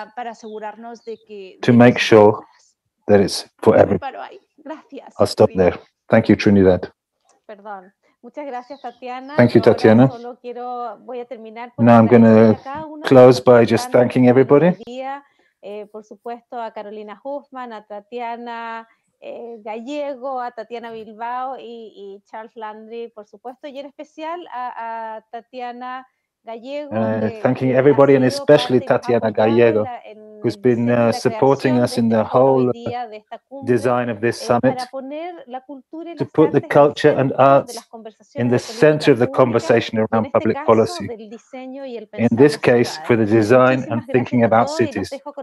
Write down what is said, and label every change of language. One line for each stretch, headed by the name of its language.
Spanish: para asegurarnos de que,
English: to make sure that it's for everybody.
Spanish: Gracias.
English: I'll stop there. Thank you, Trinidad.
Spanish: Perdón. Muchas gracias, Tatiana.
English: Thank you, Tatiana.
Spanish: Solo quiero, voy a terminar por
English: now I'm going to close by just thanking everybody.
Spanish: Por supuesto, a Carolina Huffman, a Tatiana Gallego, a Tatiana Bilbao y Charles Landry, por supuesto, y en especial a Tatiana Gallego.
English: Thanking everybody and especially Tatiana Gallego, who's been supporting us in the whole design of this summit, to put the culture and arts in the center of the conversation around public policy, in this case for the design and thinking about cities.